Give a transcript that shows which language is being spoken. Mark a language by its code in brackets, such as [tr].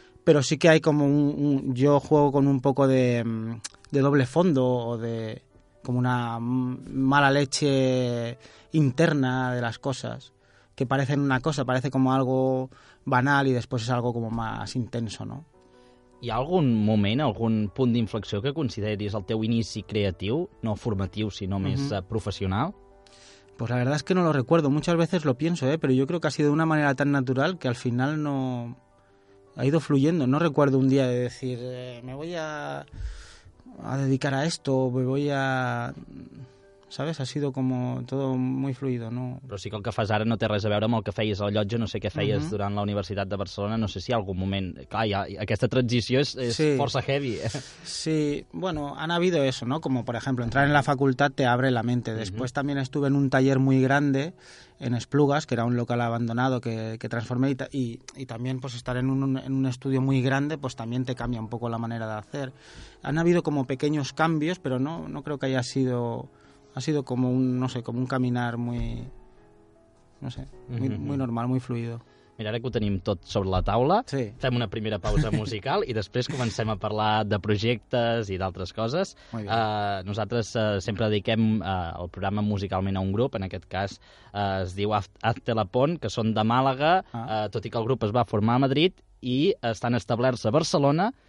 [es] Pero sí que hay como un... Yo juego con un poco de doble fondo o de... como una mala leche interna de las cosas, que parecen una cosa, parece como algo banal y después es algo como más intenso, ¿no? [ca] Hi ha algun moment, algun punt d'inflexió que consideris el teu inici creatiu, no formatiu, sinó més professional? [es] Pues la verdad es que no lo recuerdo, muchas veces lo pienso, pero yo creo que ha sido de una manera tan natural que al final no ha ido fluyendo. No recuerdo un día de decir, me voy a dedicar a esto, me voy a... ¿Sabes? Ha sido como todo muy fluido, ¿no? [ca] Però sí que el que fas ara no té res a veure amb el que feies a Llotja, no sé què feies durant la Universitat de Barcelona, no sé si en algun moment... Clar, ja, aquesta transició és sí. Força heavy. [es] Sí, bueno, han habido eso, ¿no? Como, por ejemplo, entrar en la facultad te abre la mente. Después también estuve en un taller muy grande en Esplugas, que era un local abandonado que transformé, y también pues estar en un estudio muy grande pues también te cambia un poco la manera de hacer. Han habido como pequeños cambios, pero no creo que haya sido... Ha sido como un, no sé, como un caminar muy, no sé, muy, muy normal, muy fluido. [ca] Mira, ara que ho tenim tot sobre la taula, sí. Fem una primera pausa musical i després comencem a parlar de projectes i d'altres coses. Nosaltres sempre dediquem el programa musicalment a un grup, en aquest cas es diu Hazte la Pont, que són de Màlaga, tot i que el grup es va formar a Madrid i estan establerts a Barcelona.